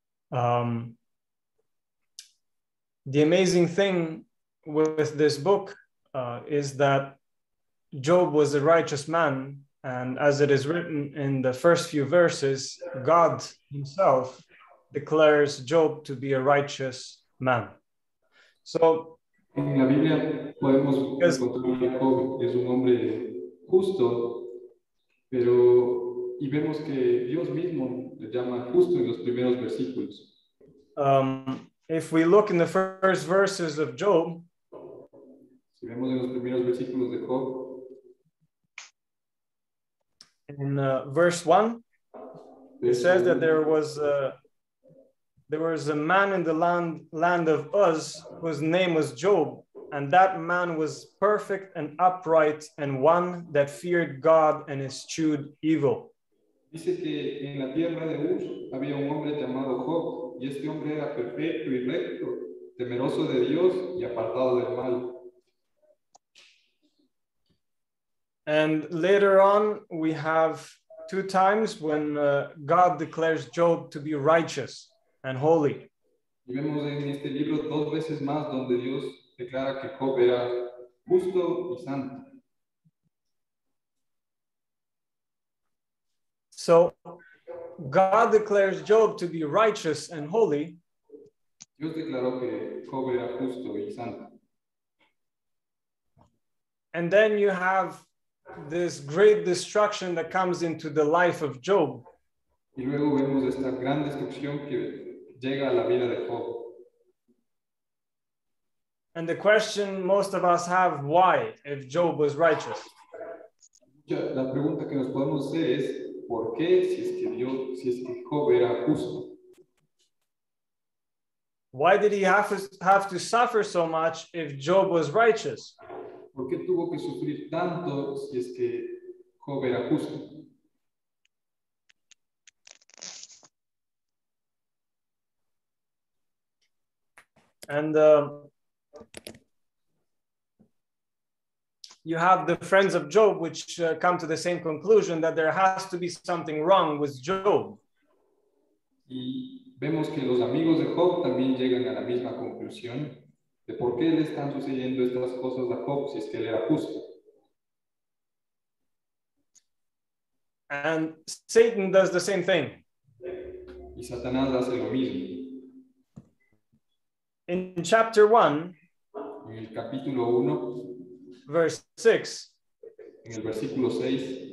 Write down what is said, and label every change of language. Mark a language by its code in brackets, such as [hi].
[en] The amazing thing with this book is that Job was a righteous man, and as it is written in the first few verses, God himself declares Job to be a righteous man. So, [es] in la Biblia podemos encontrar que Job es un hombre justo, pero y vemos que Dios mismo le llama justo en los primeros versículos. [en] If we look in the first verses of Job, [es] si vemos en los primeros versículos de Job, [en] in verse 1, it says that there was a man in the land of Uz whose name was Job, and that man was perfect and upright, and one that feared God and eschewed evil. [es] Dice que en la tierra de Uz había un hombre llamado Job. Y este hombre era perfecto y recto, temeroso de Dios y apartado del mal. [en] And later on, we have two times when God declares Job to be righteous and holy. [es] Y vemos en este libro dos veces más donde Dios declara que Job era justo y santo. [en] So, God declares Job to be righteous and holy. [es] Dios declaró que Job era justo y santo. [en] And then you have this great destruction that comes into the life of Job. [es] Y luego vemos esta gran destrucción que llega a la vida de Job. [en] And the question most of us have, why, if Job was righteous? [es] La pregunta que nos podemos hacer es, ¿por qué si es que Dios, si es que Job era justo? [en] Why did he have to suffer so much if Job was righteous? [es] ¿Por qué tuvo que sufrir tanto si es que Job era justo? [en] And you have the friends of Job, which come to the same conclusion that there has to be something wrong with Job. [es] Y vemos que los amigos de Job también llegan a la misma conclusión de por qué le están sucediendo estas cosas a Job si es que él era justo. [en] And Satan does the same thing. [es] Y Satanás hace lo mismo. [en] In chapter 1, [es] en el capítulo 1, [en] verse 6, [es] en el versículo 6,